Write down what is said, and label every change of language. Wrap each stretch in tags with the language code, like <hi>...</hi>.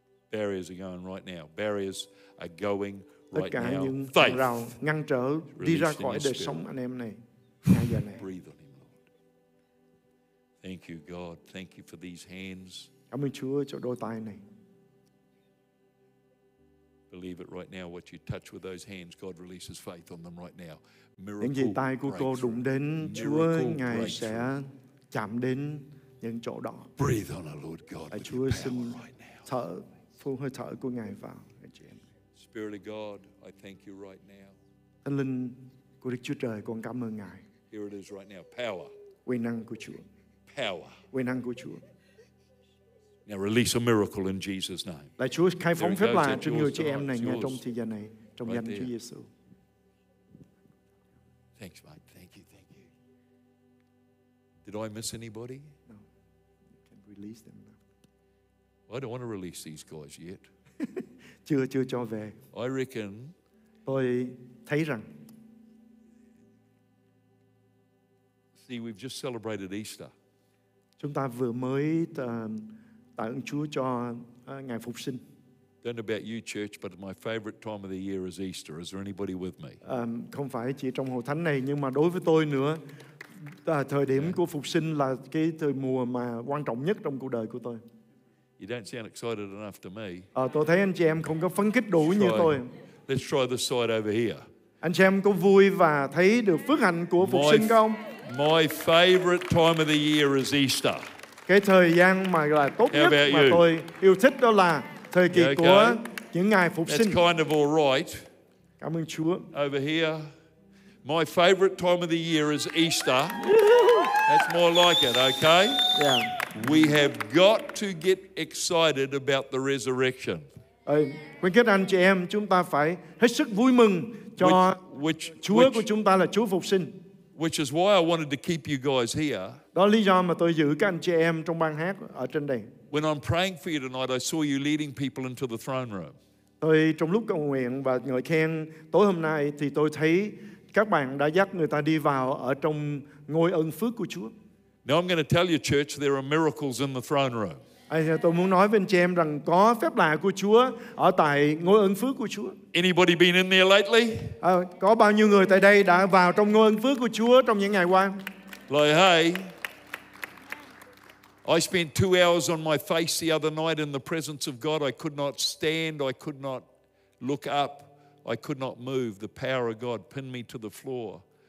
<en>Barriers are going right now. Barriers are going right now.</en> <vi>Tất cả những hàng rào ngăn trở đi ra khỏi đời sống anh em này ngay giờ này.</vi> <en>Breathe on him, Lord. Thank you, God. Thank you for these hands.</en> <vi>Cảm ơn Chúa cho đôi tay này.</vi> <en>Believe it right now. What you touch with those hands, God releases faith on them right now.</en> <vi>Những gì tay của cô đụng đến, Chúa ngài sẽ chạm đến những chỗ đó.</vi> <en>Breathe on our Lord God.</en> <vi>Chúa xin thở, phun hơi thở của ngài vào.</vi> <en>Spirit of God, I thank you right now.</en> <vi>Thánh Linh của Đức Chúa Trời, con cảm ơn ngài.</vi> <en>Here it is right now. Power.</en> <vi>Quyền năng của Chúa.</vi> <en>Power.</en> <vi>Quyền năng của Chúa.</vi> <en>Now release a miracle in Jesus' name.</en> <vi>Lạy Chúa, khai phóng phép lạ trên người chị em này ngay trong thời gian này, trong danh Chúa Giêsu.</vi> <en>Thanks, mate. Thank you. Did I miss anybody? No. You can release them now. I don't want to release these guys yet.</en> <vi>chưa cho về.</vi> <en>I reckon.</en> <vi>Tôi thấy rằng.</vi> <en>See, we've just celebrated Easter.</en> <vi>Chúng ta vừa mới tạ ơn Chúa cho ngày Phục Sinh.</vi> <en>Don't know about you, church, but my favorite time of the year is Easter. Is there anybody with me?</en> <vi>Không phải chỉ trong hội thánh này, nhưng mà đối với tôi nữa, thời điểm của Phục Sinh là cái thời mùa mà quan trọng nhất trong cuộc đời của tôi.</vi> <en>You don't sound excited enough to me.</en> <vi>Tôi thấy anh chị em không có phấn khích đủ như tôi.</vi> <en>Let's try the side over here.</en> <vi>Anh chị em có vui và thấy được phước hạnh của Phục Sinh không?</vi> <en>My favorite time of the year is Easter.</en> <vi>Cái thời gian mà là tốt nhất mà tôi yêu thích đó là thời kỳ của những ngày Phục Sinh.</vi> <en>That's kind of all right.</en> <vi>Cảm ơn Chúa.</vi> <en>Over here, my favorite time of the year is Easter. That's more like it, okay? Yeah. We have got to get excited about the resurrection.</en> <vi>Khuyến khích anh chị em, chúng ta phải hết sức vui mừng cho Chúa của chúng ta là Chúa Phục Sinh.</vi> <en>Which is why I wanted to keep you guys here.</en> <vi>Đó là lý do mà tôi giữ các anh chị em trong ban hát ở trên đây.</vi> <en>When I'm praying for you tonight, I saw you leading people into the throne room.</en> <vi>Tôi trong lúc cầu nguyện và ngợi khen tối hôm nay thì tôi thấy các bạn đã dắt người ta đi vào ở trong ngôi ân phước của Chúa.</vi> <en>Now I'm going to tell you, church, there are miracles in the throne room.</en> <vi>Tôi muốn nói với anh chị em rằng có phép lạ của Chúa ở tại ngôi ân phước của Chúa.</vi> <en>Anybody been in there lately?</en> <vi>Có bao nhiêu người tại đây đã vào trong ngôi ân phước của Chúa trong những ngày qua?</vi> <en>Like, hey, I spent 2 hours on my face the other night in the presence of God. I could not stand. I could not look up. I could not move. The power of God pinned me to the floor.</en>